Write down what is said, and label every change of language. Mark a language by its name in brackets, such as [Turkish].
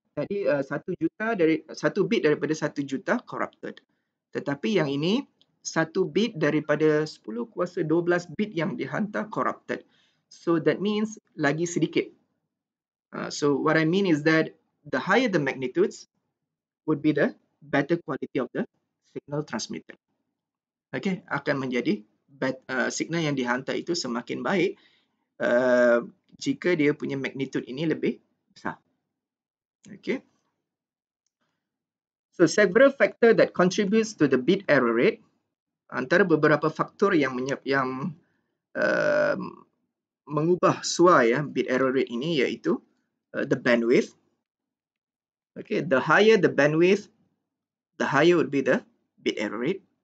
[Malay] Tadi 1 juta dari 1 bit daripada 1 juta corrupted. Tetapi yang ini 1 bit daripada 10 kuasa 12 bit yang dihantar corrupted. [English] So that means [Malay] lagi sedikit. [English] So what I mean is that the higher the magnitudes would be the better quality of the signal transmitted. [Malay] Okay, akan menjadi signal yang dihantar itu semakin baik jika dia punya magnitude ini lebih besar. [English] Okay. So several factors that contributes to the bit error rate. [Malay] Antara beberapa faktor yang mengubah suai ya bit error rate ini iaitu [English] the bandwidth. Okay, the higher the bandwidth, the higher would be the bit error rate.